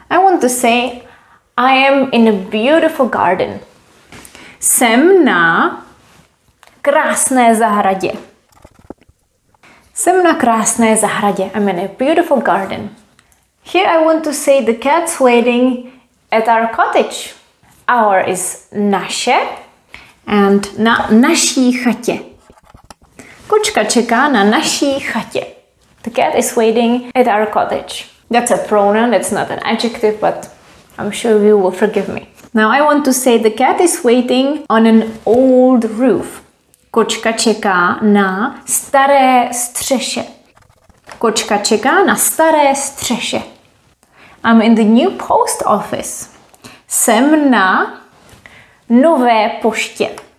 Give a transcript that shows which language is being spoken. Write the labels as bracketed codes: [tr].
[en] I want to say, I am in a beautiful garden. [cs] Jsem na krásné zahradě. Jsem na krásné zahradě. [en] I'm in a beautiful garden. Here I want to say the cat's waiting at our cottage. Our is naše and [cs] na naší chatě. Kočka čeká na naší chatě. [en] The cat is waiting at our cottage. That's a pronoun, it's not an adjective, but I'm sure you will forgive me. Now I want to say the cat is waiting on an old roof. [cs] Kočka čeká na staré střeše. Kočka čeká na staré střeše. [en] I'm in the new post office. [cs] Jsem na nové poště.